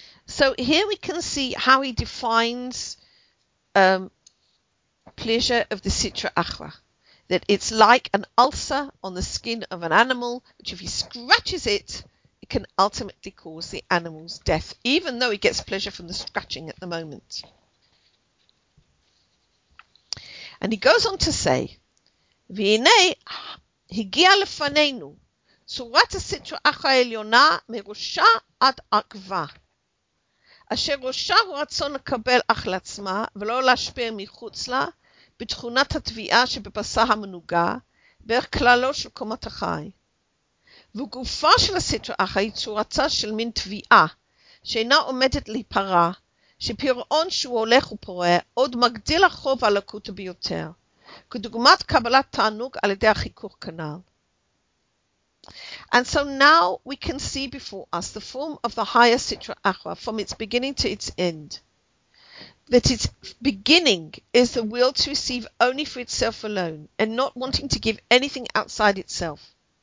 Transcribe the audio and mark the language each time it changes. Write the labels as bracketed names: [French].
[English] So here we can see how he defines pleasure of the sitra achra, that it's like an ulcer on the skin of an animal, which if he scratches it, it can ultimately cause the animal's death, even though he gets pleasure from the scratching at the moment. And he goes on to say, [Hebrew] V'hine higia lefaneinu, צורת הסיטרה אחר העליונה מראשה עד עקבה, אשר ראשה הוא רצון לקבל אך לעצמה ולא להשפיע מחוץ לה בתכונת התביעה שבבשה המנוגה בערך כללו של קומת החי. וגופה של הסיטרה אחר היא צורתה של מין תביעה שאינה עומדת להיפרע, שפירעון שהוא הולך ופורא עוד מגדיל החוב הלקוט ביותר, כדוגמת קבלת תענוג על ידי החיכוך כנל. [English] And so now we can see before us the form of the higher sitra achra from its beginning to its end. That its beginning is the will to receive only for itself alone and not wanting to give anything outside itself.